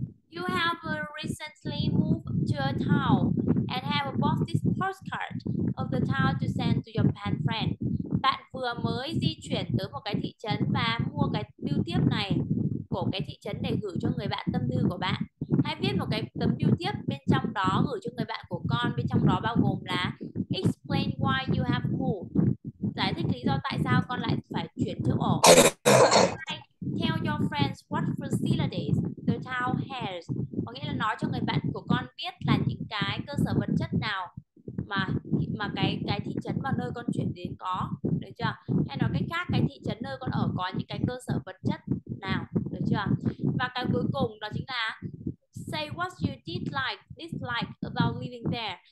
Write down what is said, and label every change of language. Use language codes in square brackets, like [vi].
[en] You have recently moved to a town and have bought this postcard of the town to send to your pen friend. [vi] Bạn vừa mới di chuyển tới một cái thị trấn và mua cái bưu tiếp này của cái thị trấn để gửi cho người bạn tâm thư của bạn. Hãy viết một cái tấm bưu tiếp bên trong đó gửi cho người bạn của con, bên trong đó bao gồm là [en] explain why you have moved. [vi] Giải thích lý do tại sao con lại phải chuyển chỗ ở. [en] Tell your friends what facilities the town has. [vi] Có nghĩa là nói cho người bạn của con biết là những cái cơ sở vật chất nào mà cái thị trấn mà nơi con chuyển đến có, được chưa? Hay nói cách khác, cái thị trấn nơi con ở có những cái cơ sở vật chất nào, được chưa? Và cái cuối cùng đó chính là [en] say what you did like, dislike about living there.